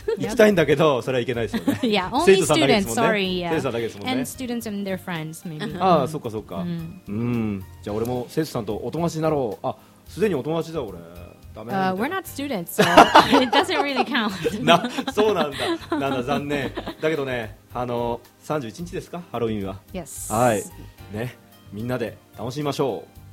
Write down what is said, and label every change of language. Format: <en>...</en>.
<ja>行きたいんだけど、それはいけないですよね。生徒さんだけですもんね。生徒さんだけですもんね。</ja> <en>And students and their friends, maybe.</en> <ja>ああ、そっかそっか。じゃあ俺も生徒さんとお友達になろう。あ、すでにお友達だ俺。</ja> <en>We're not students, so it doesn't really count.</en> <ja>な、そうなんだ。なんだ、残念。だけどね、31日ですか、ハロウィンは。</ja> <en>Yes.</en> <ja>はい。ね。みんなで楽しみましょう。</ja>